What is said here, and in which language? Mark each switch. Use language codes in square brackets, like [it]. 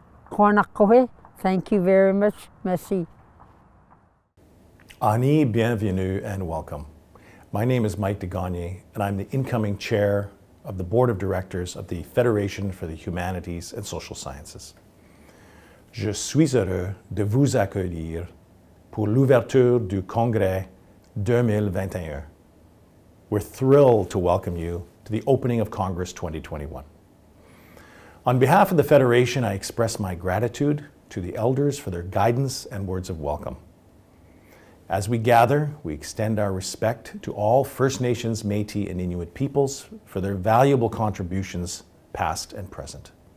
[en] Kwanakohe, thank you very much. [fr] Merci. [en] Ani, [fr] bienvenue, [en] and welcome. My name is Mike DeGagne, and I'm the incoming chair of the board of directors of the Federation for the Humanities and Social Sciences. [fr] Je suis heureux de vous accueillir pour l'ouverture du Congrès 2021. [en] We're thrilled to welcome you to the opening of Congress 2021. On behalf of the Federation, I express my gratitude to the elders for their guidance and words of welcome. As we gather, we extend our respect to all First Nations, Métis, and Inuit peoples for their valuable contributions, past and present.